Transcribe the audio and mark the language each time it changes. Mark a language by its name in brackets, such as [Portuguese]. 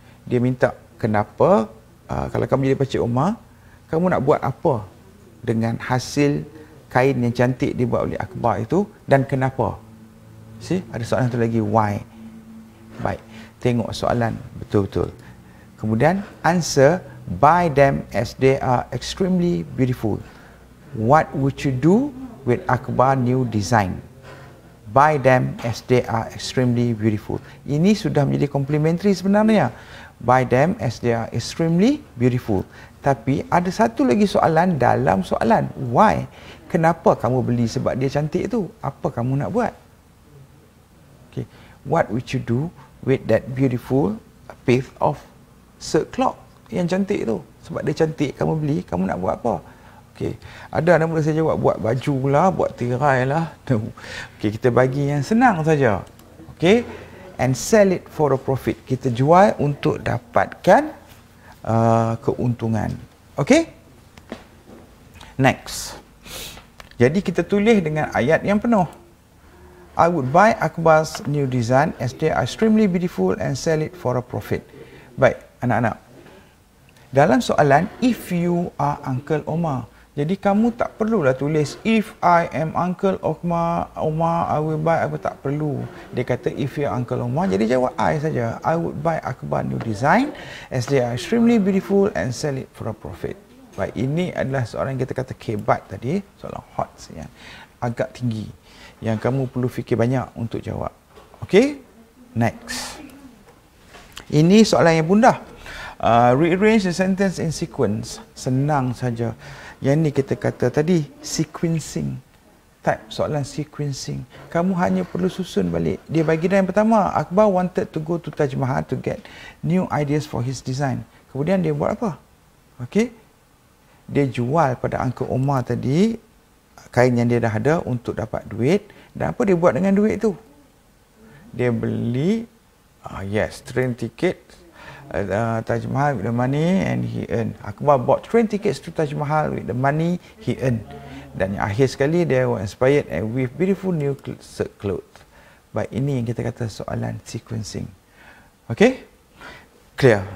[Malay] Dia minta kenapa, kalau kamu jadi Pakcik Omar, kamu nak buat apa dengan hasil kain yang cantik dibuat oleh Akbar itu dan kenapa? See, ada soalan tu lagi, why? Baik. tengok soalan betul-betul. [English] Kemudian answer by them as they are extremely beautiful. What would you do with Akbar new design? Buy them as they are extremely beautiful. [Malay] Ini sudah menjadi complimentary sebenarnya. [English] Buy them as they are extremely beautiful. [Malay] Tapi ada satu lagi soalan dalam soalan. [English] Why? [Malay] Kenapa kamu beli sebab dia cantik itu? Apa kamu nak buat? Okay. [English] What would you do with that beautiful piece of silk cloth [Malay] yang cantik itu? Sebab dia cantik, kamu beli, kamu nak buat apa? Okey, ada nama saya jawab, buat baju lah, buat tirai lah. [English] Okey, [Malay] kita bagi yang senang saja. [English] Okey, and sell it for a profit. [Malay] Kita jual untuk dapatkan keuntungan. [English] Okey, next. [Malay] Jadi kita tulis dengan ayat yang penuh. [English] I would buy Akbar's new design as they are extremely beautiful and sell it for a profit. [Malay] Baik, anak-anak. Dalam soalan, [English] if you are Uncle Omar. [Malay] Jadi kamu tak perlulah tulis [English] if I am Uncle Omar, I will buy. [Malay] Aku tak perlu. Dia kata [English] if you are Uncle Omar, [Malay] jadi jawab I saja. [English] I would buy Akbar new design as they are extremely beautiful and sell it for a profit. [Malay] Baik, ini adalah soalan kita kata kebat tadi, soalan hot yang agak tinggi yang kamu perlu fikir banyak untuk jawab. Okay, next. Ini soalan yang mudah. [English] Rearrange the sentence in sequence. [Malay] Senang saja. Yang ni kita kata tadi, sequencing. Type soalan sequencing. Kamu hanya perlu susun balik. Dia bagi dah yang pertama, [English] Akbar wanted to go to Taj Mahal to get new ideas for his design. [Malay] Kemudian dia buat apa? [English] Okay. [Malay] Dia jual pada Uncle Omar tadi, kain yang dia dah ada untuk dapat duit. Dan apa dia buat dengan duit tu? Dia beli, yes, train ticket. [English] Taj Mahal with the money and he earn. Akbar bought train tickets to Taj Mahal with the money he earn. [Malay] Dan yang akhir sekali, [English] they were inspired and with beautiful new silk cloth. [Malay] Baik, ini yang kita kata soalan sequencing. Okay? Clear.